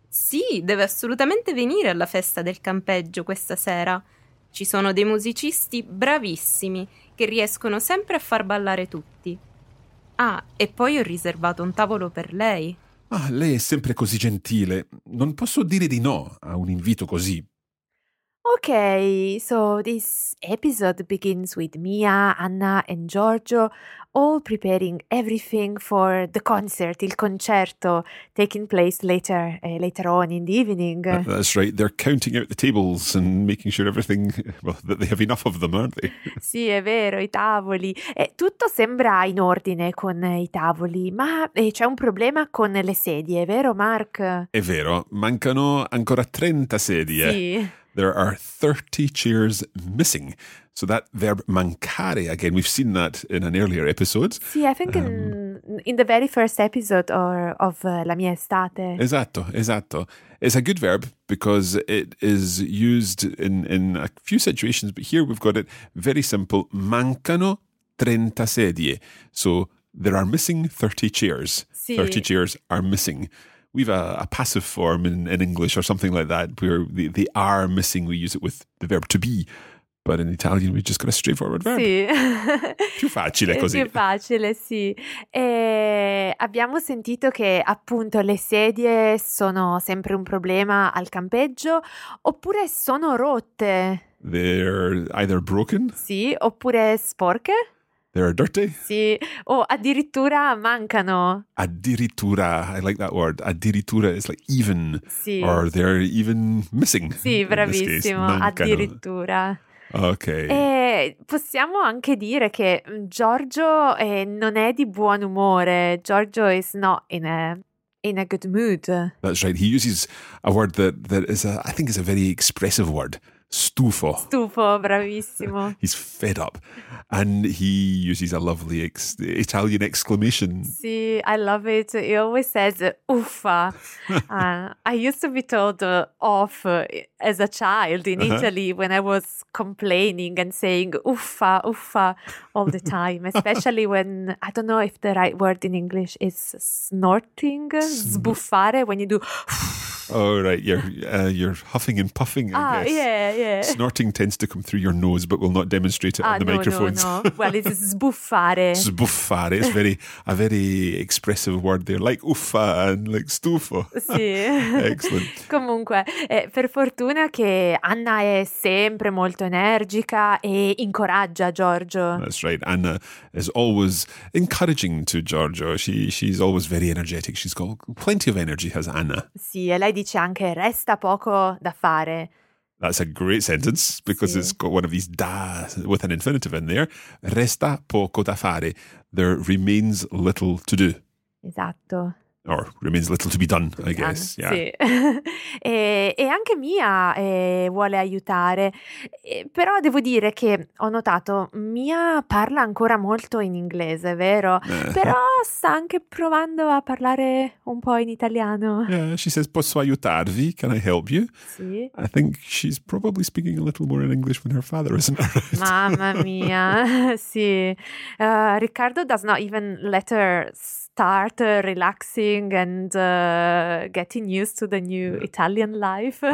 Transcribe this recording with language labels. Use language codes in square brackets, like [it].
[it] Sì, deve assolutamente venire alla festa del campeggio questa sera. Ci sono dei musicisti bravissimi che riescono sempre a far ballare tutti. Ah, e poi ho riservato un tavolo per lei. Ah, lei è sempre così gentile. Non posso dire di no a un invito così. [en] Ok, so this episode begins with Mia, Anna and Giorgio all preparing everything for the concert, [it] il concerto, [en] taking place later on in the evening. That's right, they're counting out the tables and making sure everything, well, that they have enough of them, aren't they? [it] Sì, è vero, i tavoli. Tutto sembra in ordine con i tavoli, ma c'è un problema con le sedie, è vero, Mark? È vero, mancano ancora 30 sedie. Sì. [en] There are 30 chairs missing. So that verb mancare, again, we've seen that in an earlier episode. Sì, I think in in the very first episode of la mia estate. [it] Esatto, esatto. [en] It's a good verb because it is used in a few situations, but here we've got it very simple. [it] Mancano 30 sedie. [en] So there are missing 30 chairs. [it] Sì. [en] 30 chairs are missing. We've a passive form in English or something like that where the are missing, we use it with the verb to be. But in Italian we've just got a straightforward verb. [it] Sì. Più facile così. Più facile, sì. E abbiamo sentito che appunto le sedie sono sempre un problema al campeggio oppure sono rotte. [en] They're either broken. [it] Sì, oppure sporche. [en] They're dirty. [it] Sì, o addirittura mancano. [en] Addirittura, I like that word. Addirittura is like even. [it] Sì. [en] Or they're even missing. [it] Sì, bravissimo. Addirittura. Ok. E possiamo anche dire che Giorgio non è di buon umore. [en] Giorgio is not in a good mood. That's right. He uses a word that is, I think, is a very expressive word. [it] Stufo. Stufo, bravissimo. [en] He's fed up. And he uses a lovely Italian exclamation. Sì, I love it. He always says, uffa. I used to be told off as a child in Italy when I was complaining and saying uffa, uffa all the time. Especially when, I don't know if the right word in English is snorting, sbuffare, when you do Oh, right. You're huffing and puffing, I guess. Yeah. Snorting tends to come through your nose, but will not demonstrate it on the microphones. No. Well, it's sbuffare. [it] Sbuffare. [en] It's a very expressive word there, like uffa and like stufo. [it] Sì. [en] Excellent. [it] Comunque, per fortuna che Anna è sempre molto energica e incoraggia Giorgio. [en] That's right. Anna is always encouraging to Giorgio. She's always very energetic. She's got plenty of energy, has Anna. [it] Sì. E lei dice anche resta poco da fare. [en] That's a great sentence because It's got one of these da with an infinitive in there. [it] Resta poco da fare. [en] There remains little to do. [it] Esatto. [en] Or remains little to be done, to I be guess. Done. Yeah. [it] Sì. e anche Mia vuole aiutare. Però devo dire che ho notato Mia parla ancora molto in inglese, vero? Però sta anche provando a parlare un po' in italiano. [en] Yeah, she says, [it] posso aiutarvi? [en] Can I help you? [it] Sì. [en] I think she's probably speaking a little more in English than her father, isn't it? Right? [it] Mamma mia, sì. [en] Riccardo does not even let her start relaxing and getting used to the new Italian life.